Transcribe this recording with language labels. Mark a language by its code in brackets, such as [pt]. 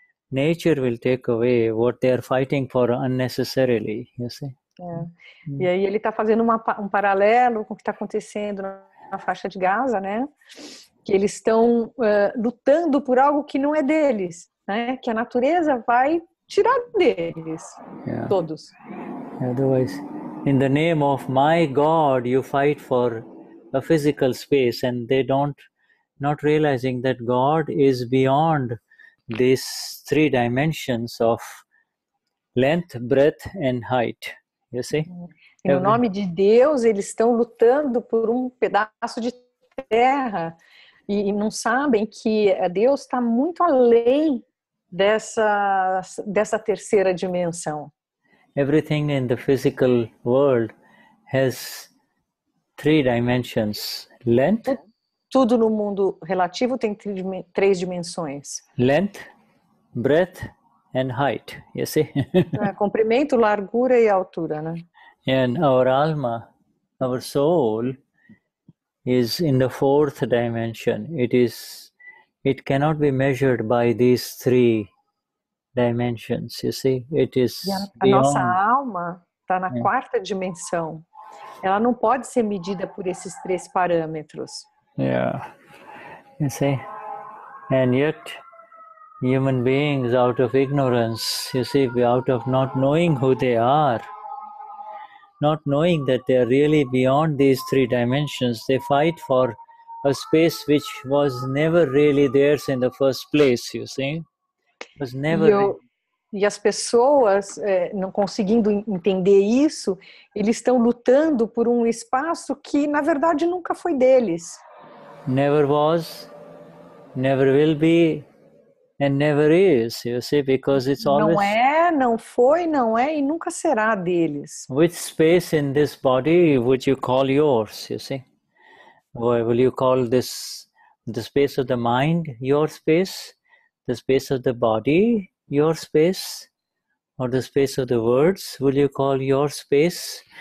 [en] Nature will take away what they are fighting for unnecessarily, you see. [pt] E aí ele está fazendo um paralelo com o que está acontecendo na faixa de Gaza, né? Que eles estão lutando por algo que não é deles, né? Que a natureza vai tirar deles, todos. [en] Otherwise, in the name of my God, you fight for a physical space and they don't, not realizing that God is beyond these three dimensions of length, breadth and height, you see? [pt] Em nome de Deus, eles estão lutando por um pedaço de terra e não sabem que Deus está muito além dessa terceira dimensão. [en] Everything in the physical world has three dimensions, length. [pt] Tudo no mundo relativo tem três dimensões. [en] Length, breadth and height, you see? [pt] Comprimento, largura e altura, né? [en] And our alma, our soul, is in the fourth dimension. It cannot be measured by these three dimensions, you see? It is beyond. [pt] Nossa alma está na quarta dimensão. Ela não pode ser medida por esses três parâmetros. [en] Yeah, you see, and yet human beings out of ignorance, you see, out of not knowing who they are, not knowing that they are really beyond these three dimensions, they fight for a space which was never really theirs in the first place, you see, was never [pt] E as pessoas, não conseguindo entender isso, eles estão lutando por um espaço que, na verdade, nunca foi deles. [en] Never was, never will be, and never is, you see, because it's always... [pt] Não é, não foi, não é, e nunca será deles. [en] Which space in this body would you call yours, you see? Will you call this the space of the mind your space, the space of the body your space, or the space of the words, will you call your space?